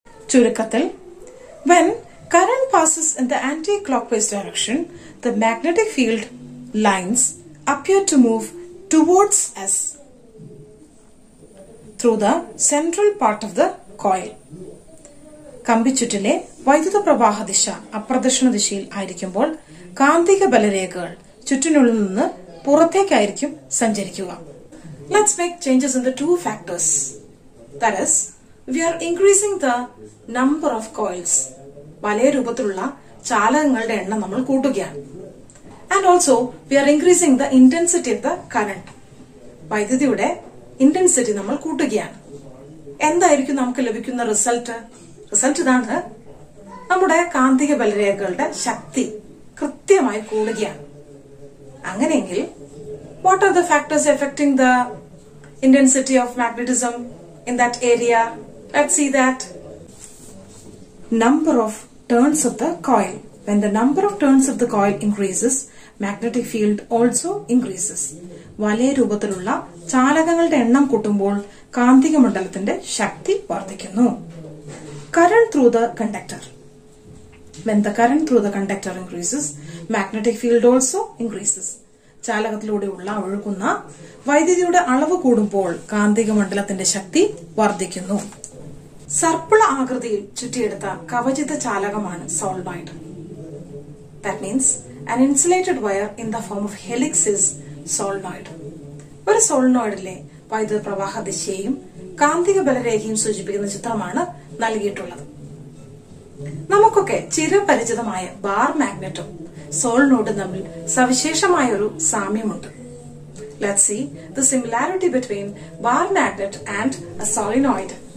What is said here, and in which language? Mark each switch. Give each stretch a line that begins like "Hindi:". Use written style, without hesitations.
English: ചുരുക്കത്തിൽ, when current passes in the anti clock wise direction the magnetic field lines appear to move towards S through the central part of the coil.
Malayalam: കമ്പിച്ചുറ്റിലെ വൈദ്യുത പ്രവാഹ ദിശ അപ്രദക്ഷിണ ദിശയിൽ ആയിരിക്കുമ്പോൾ കാന്തിക ബലരേഖകൾ ചുറ്റിനുള്ളിൽ നിന്ന് പുറത്തേക്കായിരിക്കും സഞ്ചരിക്കുക.
English: Let's make changes in the two factors. That is we are increasing the number of coils.
Malayalam: വലയ രൂപത്തിലുള്ള ചാലകങ്ങളുടെ എണ്ണം നമ്മൾ കൂട്ടുകയാണ്.
English: And also, we are increasing the intensity of the current.
Malayalam: വൈദ്യുതിയുടെ ഇന്റൻസിറ്റി നമ്മൾ കൂട്ടുകയാണ്. എന്തായിരിക്കും നമുക്ക് ലഭിക്കുന്ന റിസൾട്ട്? റിസൾട്ട് ഇതാണ്, നമ്മുടെ കാന്തിക ബലരേഖകളുടെ ശക്തി കൃത്യമായി കൂടുകയാണ്.
English: അങ്ങനെയെങ്കിൽ what are the factors affecting the intensity of magnetism in that area? Let's see that. Number of turns of the coil. When the number of turns of the coil increases, magnetic field also increases.
Malayalam: വലയ രൂപത്തിലുള്ള ചാലകങ്ങളുടെ എണ്ണം കൂട്ടുമ്പോൾ കാന്തിക മണ്ഡലത്തിന്റെ ശക്തി വർദ്ധിക്കുന്നു.
English: Current through the conductor. When the current through the conductor increases, magnetic field also increases.
Malayalam: ചാലകത്തിലൂടെ ഉള്ള ഒഴുകുന്ന വൈദ്യുതിയുടെ അളവ് കൂടുമ്പോൾ കാന്തിക മണ്ഡലത്തിന്റെ ശക്തി വർദ്ധിക്കുന്നു. സർപ്പിള ആകൃതിയിൽ ചുറ്റിയെടുത്ത കവചിത ചാലകമാണ് solenoid.
English: That means an insulated wire in the form of helix is solenoid.
Malayalam: ഒരു സോളിനോയിഡിലെ വൈദ്യുത പ്രവാഹ ദിശയും കാന്തിക ബലരേഖയും സൂചിപ്പിക്കുന്ന ചിത്രമാണ് നൽകിയിട്ടുള്ളത്. നമുക്കൊക്കെ ചിരപരിചിതമായ ബാർ മാഗ്നറ്റും സോളിനോയിഡും തമ്മിൽ സവിശേഷമായ ഒരു സാമ്യമുണ്ട്.
English: Let's see the similarity between bar magnet and a solenoid.